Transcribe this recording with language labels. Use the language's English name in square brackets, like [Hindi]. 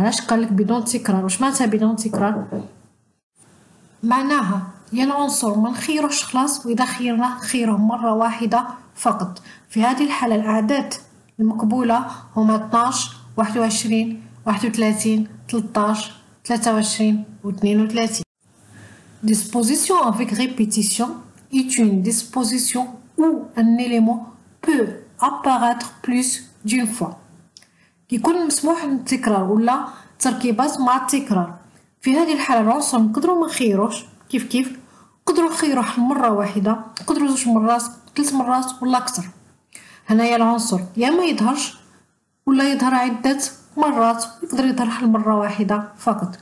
[Arabic] علاش قال لك بدون تكرار؟ واش معناتها بدون تكرار؟ معناها يا العنصر ما نخيروش خلاص، واذا خيرناه خيره مره واحده فقط. في هذه الحاله الاعداد المقبوله هما 12 21 31 13 23 و 32. [French] disposition avec répétition est une disposition où un élément peut apparaître plus d'une fois. [Arabic] يكون مسموح بالتكرار ولا تركيبات مع التكرار. في هذه الحاله العنصر نقدروا ما نخيروش، كيف نقدروا نخيرو مره واحده، نقدروا زوج مرات، ثلاث مرات ولا اكثر. هنايا العنصر يا ما يظهرش ولا يظهر عده مرات، يقدر يظهر حل مره واحده فقط.